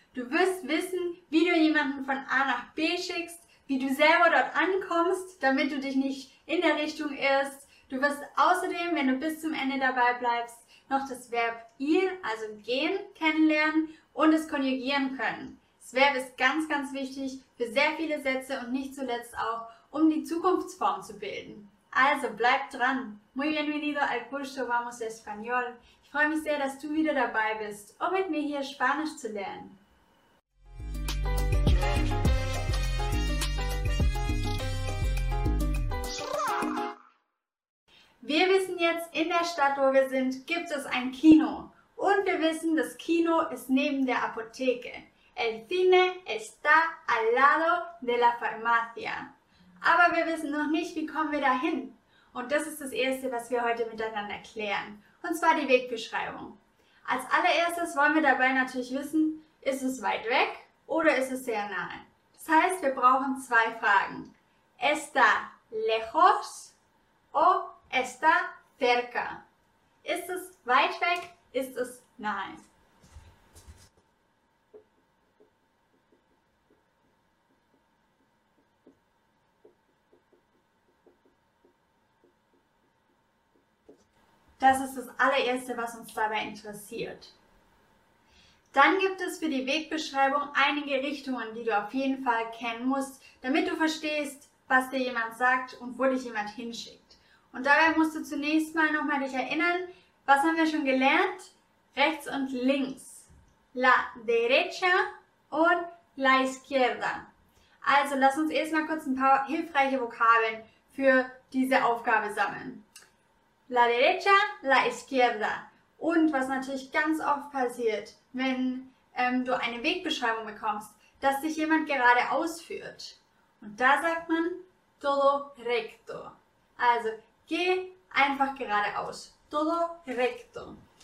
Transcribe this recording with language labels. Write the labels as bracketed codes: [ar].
[de] Du wirst wissen, wie du jemanden von A nach B schickst, wie du selber dort ankommst, damit du dich nicht in der Richtung irrst. Du wirst außerdem, wenn du bis zum Ende dabei bleibst, noch das Verb ir, also gehen, kennenlernen und es konjugieren können. Das Verb ist ganz, ganz wichtig für sehr viele Sätze und nicht zuletzt auch, um die Zukunftsform zu bilden. Also, bleib dran! [es] Muy bienvenido al curso Vamos Español. [de] Ich freue mich sehr, dass du wieder dabei bist, um mit mir hier Spanisch zu lernen. Wir wissen jetzt, in der Stadt, wo wir sind, gibt es ein Kino. Und wir wissen, das Kino ist neben der Apotheke. [es] El cine está al lado de la farmacia. [de] Aber wir wissen noch nicht, wie kommen wir da hin. Und das ist das Erste, was wir heute miteinander klären. Und zwar die Wegbeschreibung. Als allererstes wollen wir dabei natürlich wissen, ist es weit weg oder ist es sehr nahe? Das heißt, wir brauchen zwei Fragen. [es] ¿Está lejos o está cerca? [de] Ist es weit weg? Ist es nahe? Das ist das allererste, was uns dabei interessiert. Dann gibt es für die Wegbeschreibung einige Richtungen, die du auf jeden Fall kennen musst, damit du verstehst, was dir jemand sagt und wo dich jemand hinschickt. Und dabei musst du zunächst mal nochmal dich erinnern, was haben wir schon gelernt? Rechts und links. [es] La derecha und la izquierda. [de] Also lass uns erstmal kurz ein paar hilfreiche Vokabeln für diese Aufgabe sammeln. [es] La derecha, la izquierda. [de] Und was natürlich ganz oft passiert, wenn du eine Wegbeschreibung bekommst, dass dich jemand gerade ausführt. Und da sagt man [es] todo recto. [de] Also geh einfach geradeaus. [es] Todo recto.